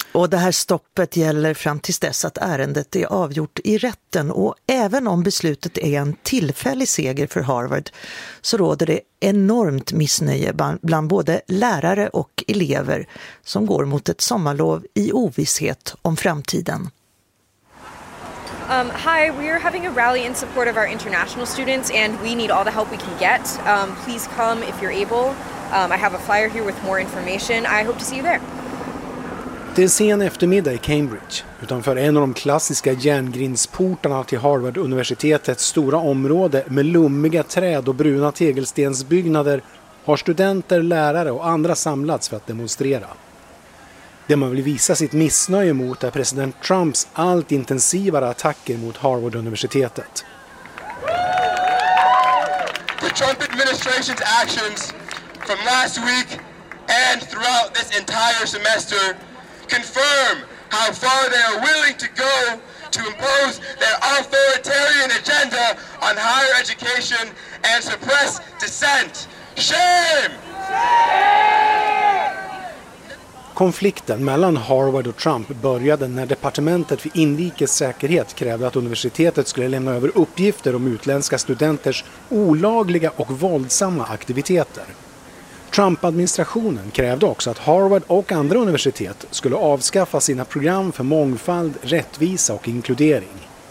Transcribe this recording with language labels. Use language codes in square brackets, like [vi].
[sv] Och det här stoppet gäller fram tills dess att ärendet är avgjort i rätten. Och även om beslutet är en tillfällig seger för Harvard, så råder det enormt missnöje bland både lärare och elever som går mot ett sommarlov i ovisshet om framtiden. [en] Hi, we are having a rally in support of our international students and we need all the help we can get. Please come if you're able. I have a flyer here with more information. I hope to see you there. [sv] Det är sen eftermiddag i Cambridge, utanför en av de klassiska järngrindsportarna till Harvard-universitetets stora område med lummiga träd och bruna tegelstensbyggnader, har studenter, lärare och andra samlats för att demonstrera. Det man vill visa sitt missnöje mot är president Trumps allt intensivare attacker mot Harvard-universitetet. [en] The Trump administration's actions from last week and throughout this entire semester confirm how far they are willing to go to impose their authoritarian agenda on higher education and suppress dissent. Shame! [sv] Konflikten mellan Harvard och Trump började när departementet för inrikes säkerhet krävde att universitetet skulle lämna över uppgifter om utländska studenters olagliga och våldsamma aktiviteter. Trump-administrationen krävde också att Harvard och andra universitet skulle avskaffa sina program för mångfald, rättvisa och inkludering.